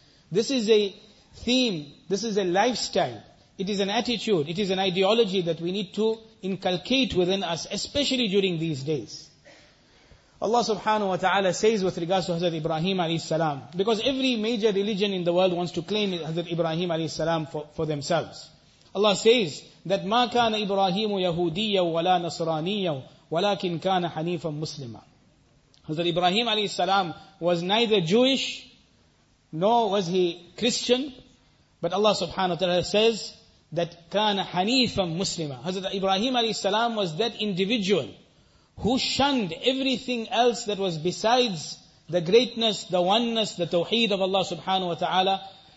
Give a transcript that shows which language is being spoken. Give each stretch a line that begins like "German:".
English: This is a theme, this is a lifestyle, it is an attitude, it is an ideology that we need to inculcate within us, especially during these days. Allah subhanahu wa ta'ala says with regards to Hazrat Ibrahim alayhi salam, because every major religion in the world wants to claim Hazrat Ibrahim alayhi salam for themselves. Allah says that
Arabic: ما كان إبراهيم يهوديا ولا نصرانيا ولكن كان حنيفا مسلما.
English: Hazrat Ibrahim alayhi salam was neither Jewish nor was he Christian, but Allah subhanahu wa ta'ala says that
Arabic: كان حنيفا مسلما.
English: Hazrat Ibrahim alayhi salam was that individual who shunned everything else that was besides the greatness, the oneness, the tawheed of Allah subhanahu wa ta'ala.